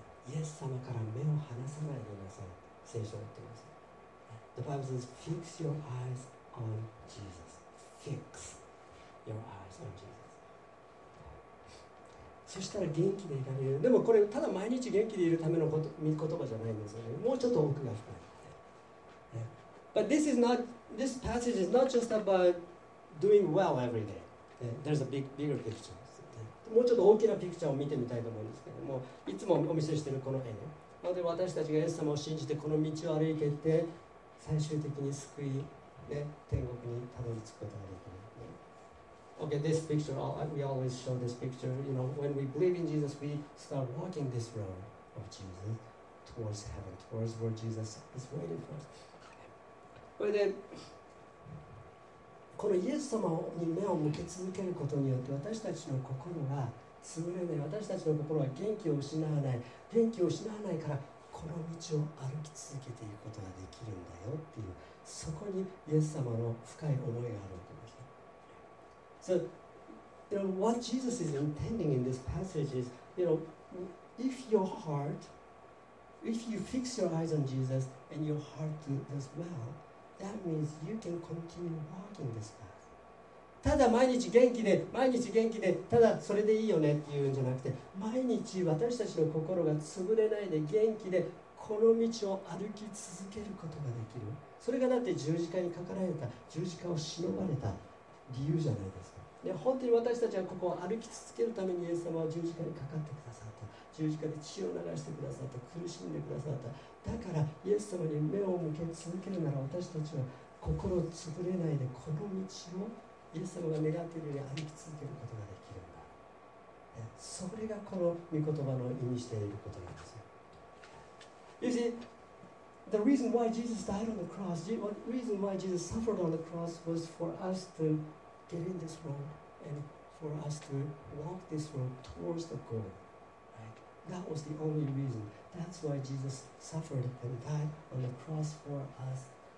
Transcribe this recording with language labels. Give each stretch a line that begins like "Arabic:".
Japanese: イエス様から目を離さないでください。聖書は言っています。
English: The Bible says, fix your eyes on Jesus. Fix your eyes on Jesus.
Japanese: そしたら元気でいられる。でもこれ、ただ毎日元気でいるためのこと言葉じゃないんですよね。もうちょっと奥が深い。
English: But this passage is not just about doing well every day. There's a bigger picture.
Japanese: もうちょっと大きなピクチャーを見てみたいと思うんですけども、いつもお見せしているこの絵ね、まあ、私たちがイエス様を信じてこの道を歩いていって、最終的に救い、ね、天国にたどり着くことができる、ね、
English: OK, this picture, we always show this picture. You know, when we believe in Jesus, we start walking this road of Jesus towards heaven, towards where Jesus is waiting for us.
Japanese: But then,このイエス様に目を向け続けることによって、私たちの心は潰れない、私たちの心は元気を失わない、元気を失わないからこの道を歩き続けていくことができるんだよっていう、そこにイエス様の深い思いがあるわけです。
English: So, you know, what Jesus is intending in this passage is, you know, if your heart, if you fix your eyes on Jesus and your heart does well,That means you can continue walking this path.
Japanese: ただ毎日元気で、毎日元気で、ただそれでいいよねっていうんじゃなくて、毎日私たちの心が潰れないで元気でこの道を歩き続けることができる。それがだって十字架にかかられた、十字架を忍ばれた理由じゃないですか。で、本当に私たちはここを歩き続けるためにイエス様は十字架にかかってくださった、十字架で血を流してくださった、苦しんでくださった。だからイエス様に目を向け続けるなら、私たちは心つぶれないでこの道をイエス様が願っているように歩き続けることができるんだ。それがこの御言葉の意味していることなんですよ。
English: You see, the reason why Jesus died on the cross, the reason why Jesus suffered on the cross was for us to get in this road and for us to walk this road towards the goalThat was the only reason. That's why Jesus suffered and died on the cross for us.